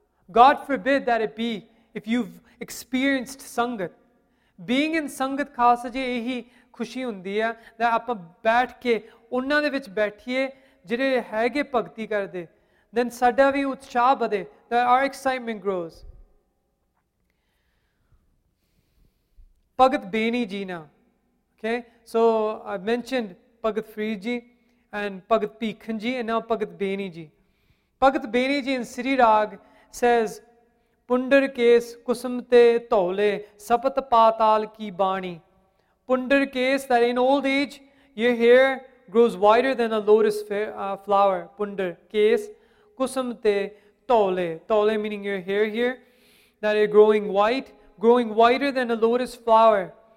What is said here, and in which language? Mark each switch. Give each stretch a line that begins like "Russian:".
English: God forbid that it be, if you've experienced Sangat. Being in Sangat Khalsaji,
Punjabi: ehi, ਖੁਸ਼ੀ ਹੁੰਦੀ ਹੈ ਤਾਂ ਆਪਾਂ ਬੈਠ ਕੇ ਉਹਨਾਂ ਦੇ ਵਿੱਚ ਬੈਠੀਏ ਜਿਹੜੇ ਹੈਗੇ ਭਗਤੀ ਕਰਦੇ ਦੈਨ ਸਾਡਾ ਵੀ ਉਤਸ਼ਾਹ ਵਧੇ ਤਾਂ
English: or excitement grows Bhagat Beni ji ਨਾ okay so I mentioned Bhagat Farid ji and Bhagat Bhikhan ji and now Bhagat Beni ji Bhagat Beni ji in Sri Raag says
Punjabi: ਪੁੰਡਰ ਕੇਸ ਕੁਸਮ ਤੇ ਧੌਲੇ ਸਪਤ ਪਾਤਾਲ ਕੀ ਬਾਣੀ
English: Pundar case, that in old age, your hair grows wider than a lotus flower.
Punjabi: Pundar case, kusam te tole.
English: Tole meaning your hair here, that is growing wider than a lotus flower.